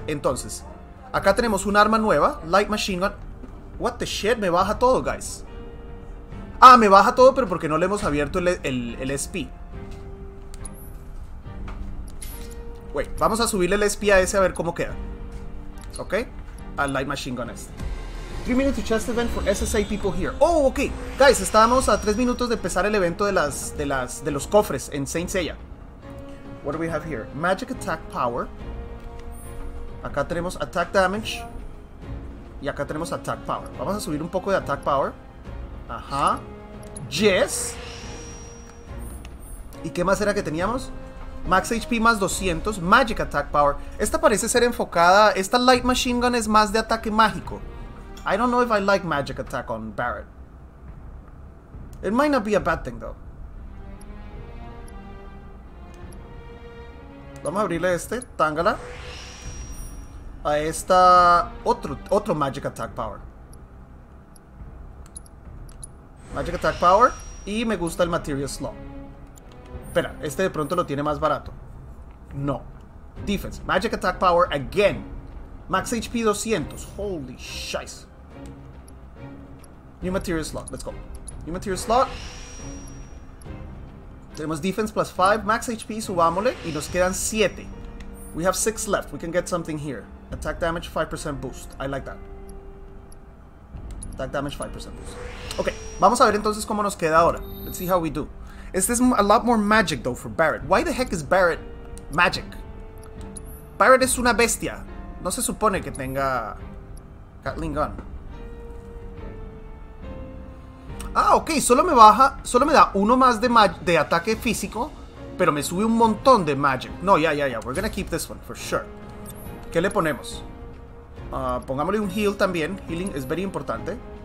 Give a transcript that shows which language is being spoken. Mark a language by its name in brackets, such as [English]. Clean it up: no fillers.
[Spanish] Entonces, acá tenemos un arma nueva. Light Machine Gun. [English] What the shit, [Spanish] me baja todo, [English] guys. [Spanish] Ah, me baja todo, pero porque no le hemos abierto el SP. Wait, vamos a subirle el SP a ese a ver cómo queda. Ok, al Light Machine Gun este. [English] 3 minutes to chest event for SSA people here. Oh, ok. [Spanish] Guys, estábamos a 3 minutos de empezar el evento de los cofres en Saint Seiya. [English] What do we have here? Magic Attack Power. [Spanish] Acá tenemos [English] Attack Damage. [Spanish] Y acá tenemos Attack Power. Vamos a subir un poco de Attack Power. Ajá. Yes. ¿Y qué más era que teníamos? Max HP más 200. Magic Attack Power. Esta parece ser enfocada. Esta Light Machine Gun es más de ataque mágico. [English] I don't know if I like Magic Attack on Barret. It might not be a bad thing, though. [Spanish] Vamos a abrirle este, Tangela. A esta... Otro Magic Attack Power. Magic Attack Power. Y me gusta el Material Slot. Espera, este de pronto lo tiene más barato. [English] No. Defense. Magic Attack Power again. Max HP 200. Holy shice. New material slot, let's go. New material slot. Tenemos defense plus 5. Max HP, subámosle. [Spanish] Y nos quedan 7. [English] We have 6 left. We can get something here. Attack damage 5% boost. I like that. Attack damage 5% boost. [Spanish] Ok, vamos a ver entonces cómo nos queda ahora. [English] Let's see how we do. Is this a lot more magic though for Barret? Why the heck is Barret magic? [Spanish] Barret es una bestia. No se supone que tenga Gatling Gun. Ah, ok, solo me baja, solo me da uno más de ataque físico, pero me sube un montón de magic. No, ya, ya, ya, [English] we're gonna keep this one, for sure. [Spanish] ¿Qué le ponemos? Pongámosle un heal también, healing es very importante.